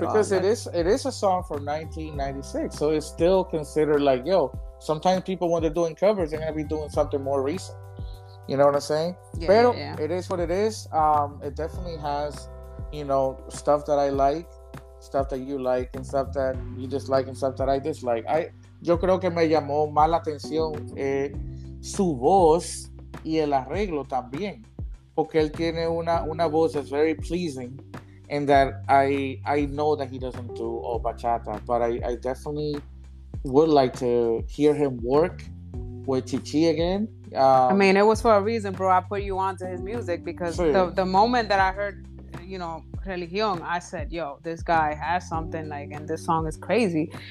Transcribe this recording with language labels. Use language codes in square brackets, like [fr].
[en] because it is a song from 1996, so it's still considered like, yo, sometimes people, when they're doing covers, they're going to be doing something more recent. You know what I'm saying? It is what it is. It definitely has, you know, stuff that I like, stuff that you like, and stuff that you dislike, and stuff that I dislike. [es] Yo creo que me llamó más la atención su voz y el arreglo también. Porque él tiene una voz [en] that's very pleasing, and that I know that he doesn't do all bachata, but I definitely would like to hear him work with Chichi again. I mean, it was for a reason, bro. I put you onto his music because the moment that I heard, you know, Religion, I said, yo, this guy has something, like, and this song is crazy.